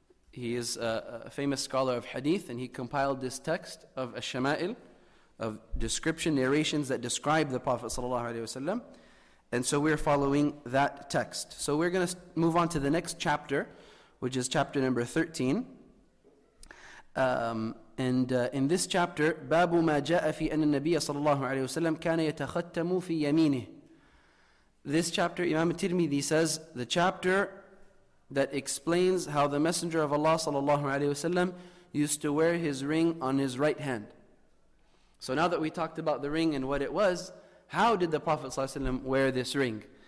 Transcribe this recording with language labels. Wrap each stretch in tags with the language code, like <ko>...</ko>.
<en>He is a famous scholar of hadith, and he compiled this text of Ash-Shama'il, of description, narrations that describe the Prophet ﷺ. And so we're following that text. So we're going to move on to the next chapter, which is chapter number 13.</en> <ar>In this chapter, بَابُ مَا جَاءَ فِي أَنَّ النَّبِيَّ صَلَى اللَّهُ عَلَيْهِ وَسَلَّمْ كَانَ يَتَخَتَّمُ فِي يَمِينِهِ.</ar> <en>This chapter, Imam Tirmidhi says, the chapter that explains how the Messenger of Allah sallallahu alaihi wasallam used to wear his ring on his right hand. So now that we talked about the ring and what it was, how did the Prophet sallallahu alaihi wasallam wear this ring?</en>